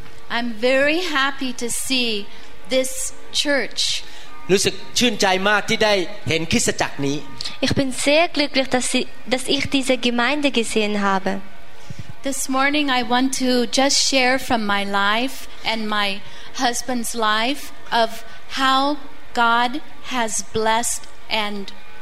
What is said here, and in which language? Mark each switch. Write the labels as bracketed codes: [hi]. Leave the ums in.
[en] I'm very happy to see this church. [th] รู้สึกชื่นใจมากที่ได้เห็นคริสตจักรนี้ [de] Ich bin sehr glücklich, dass ich, dass ich diese Gemeinde gesehen habe. [en] This morning I want to just share from my life and my husband's life of how God has blessed and